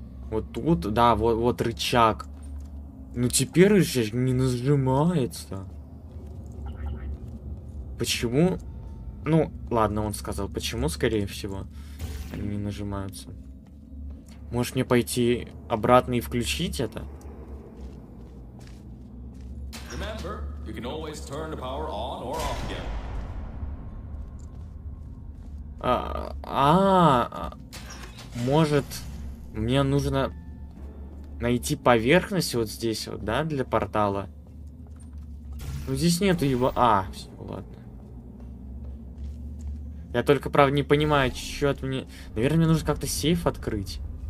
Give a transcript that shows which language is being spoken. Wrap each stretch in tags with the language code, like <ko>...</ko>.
<ru>Вот тут, да, вот рычаг. Ну, теперь рычаг не нажимается. Почему? Ну, ладно, он сказал, почему, скорее всего, они не нажимаются. Может, мне пойти обратно и включить это?</ru> <en>Remember, you can always turn the power on or off again.</en> <ru>Может, мне нужно найти поверхность вот здесь вот, да, для портала? Ну, здесь нету его... А, все, ладно. Я только, правда, не понимаю, что от меня... Наверное, мне нужно как-то сейф открыть.</ru>